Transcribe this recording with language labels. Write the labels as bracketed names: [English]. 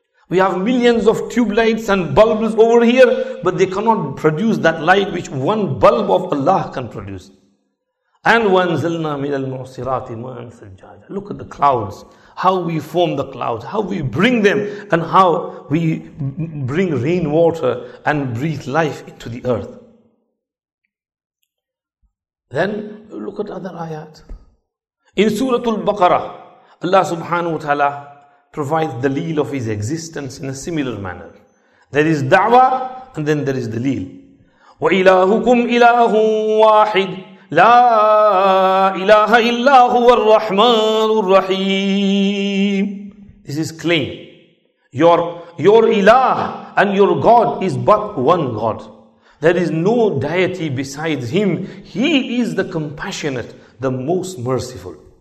[English] We have millions of tube lights and bulbs over here, but they cannot produce that light which one bulb of Allah can produce. [Arabic] And وَأَنزَلْنَا مِنَ الْمُعْصِرَاتِ مَاءً ثَجَّاجًا. [English] Look at the clouds, how we form the clouds, how we bring them, and how we bring rainwater and breathe life into the earth. Then look at other ayat. In Surah Al-Baqarah, Allah subhanahu wa ta'ala provides the leel of His existence in a similar manner. There is da'wah and then there is the leel. [Arabic] وَإِلَهُكُمْ إِلَهٌ وَاحِدٌ لا إله إلا هو الرحمن الرحيم. [English] This is claim. Your Ilah and your God is but one God. There is no deity besides Him. He is the compassionate, the most merciful.